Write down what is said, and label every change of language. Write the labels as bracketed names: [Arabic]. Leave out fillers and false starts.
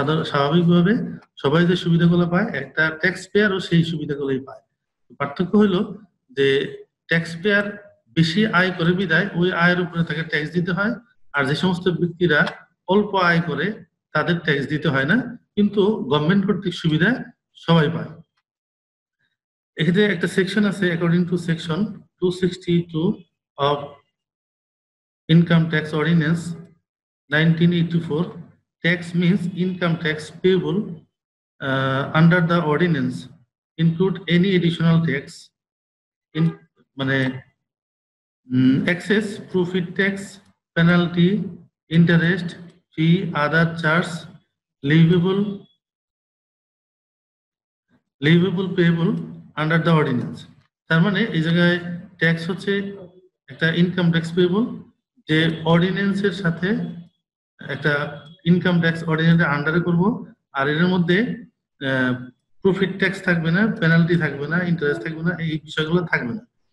[Bangla] স্বাভাবিকভাবে সবাই যে সুবিধাগুলো পায়, একটা ট্যাক্স পেয়ারও সেই সুবিধাগুলোই পায়। পার্থক্য হলো যে ট্যাক্স পেয়ার বেশি আয় করে বিদায় ওই আয়ের উপরে তাকে ট্যাক্স দিতে হয়, আর যে সমস্ত ব্যক্তিরা অল্প আয় করে তাদের ট্যাক্স দিতে হয় না, কিন্তু গভর্নমেন্ট কর্তৃক সুবিধা সবাই পায়। এখানে একটা সেকশন আছে, [English] According to section 262 of income tax ordinance 1984, tax means income tax payable under the ordinance include any additional tax in মানে excess profit tax penalty interest fee other charges levable payable under the ordinance। [Bangla] তার মানে এই জায়গায় tax হচ্ছে একটা income tax payable, যে অর্ডিনেন্সের সাথে একটা ইনকাম ট্যাক্স অর্ডিনেন্সের আন্ডারে করবো, আর এর মধ্যে প্রফিট ট্যাক্স থাকবে না, পেনাল্টি থাকবে না, ইন্টারেস্ট থাকবে না, এই বিষয়গুলো থাকবে না।